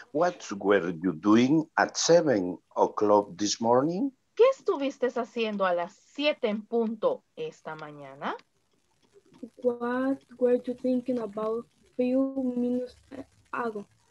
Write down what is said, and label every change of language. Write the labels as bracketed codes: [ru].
[en] What were you doing at 7 o'clock this morning? [es] ¿Qué estuviste haciendo a las 7 en punto esta mañana? [en] What were you thinking about few minutes ago?